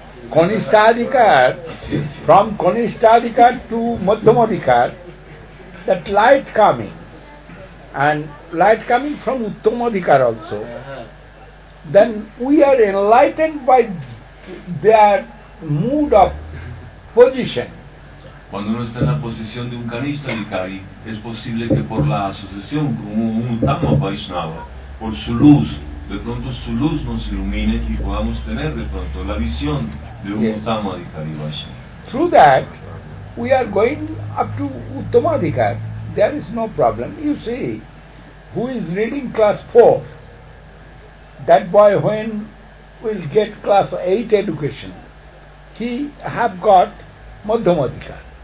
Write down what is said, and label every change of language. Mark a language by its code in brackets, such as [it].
[en] Kanishtha Adhikar, from Kanishtha Adhikar to Madhyama Adhikar, that light coming, and light coming from Uttama Adhikar also, then we are enlightened by their mood of position. [es] Cuando uno está en la posición de un Kanishtha Adhikari, es posible que por la asociación con un Uttama Vaishnava, por su luz, de pronto su luz nos ilumine y podamos tener de pronto la visión de un Uttama Adhikari Vaishnava. [en] Through that, we are going up to Uttama Adhikar. There is no problem. You see, who is reading class 4, that boy when will get class 8 education, he have got Madhyama Adhikar.